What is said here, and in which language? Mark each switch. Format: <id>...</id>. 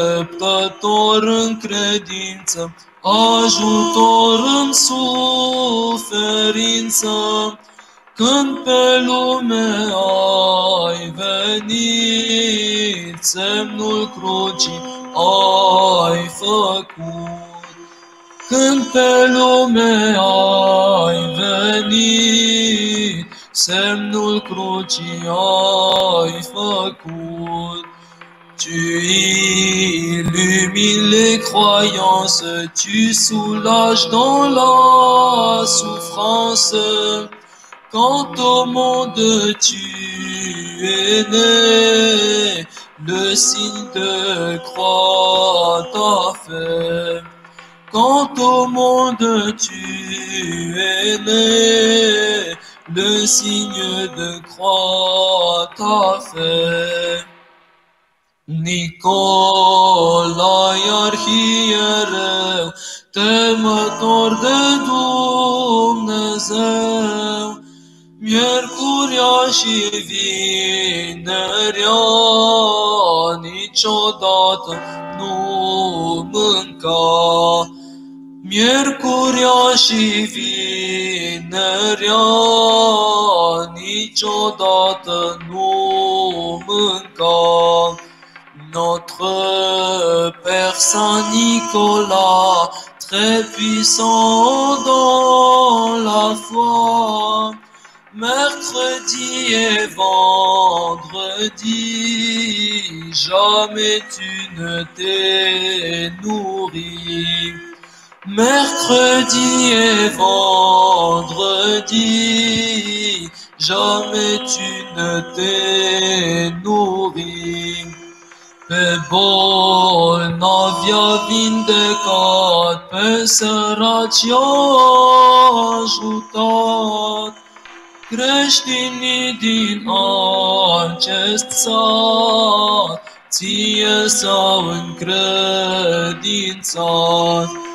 <ro>Îndreptător în credință, ajutor în suferință, când pe lume ai venit, semnul crucii ai făcut. Când pe lume ai venit, semnul crucii ai făcut.</ro> <fr>Tu illumines les croyances, tu soulages dans la souffrance. Quand au monde tu es né, le signe de croix t'a fait. Quand au monde tu es né, le signe de croix t'a fait.</fr> <ro>Nicolae, arhiereu, temător de Dumnezeu, miercurea și vinerea niciodată nu mânca. Miercurea și vinerea niciodată nu mânca.</ro> <fr>Notre Père Saint-Nicolas, très puissant dans la foi, mercredi et vendredi, jamais tu ne t'es nourri. Mercredi et vendredi, jamais tu ne t'es nourri.</fr> <ro>Pe bolnavi-a vindecat, pe săraci i-a ajutat. Creștinii din acest sat, ție s-au încredințat.</ro>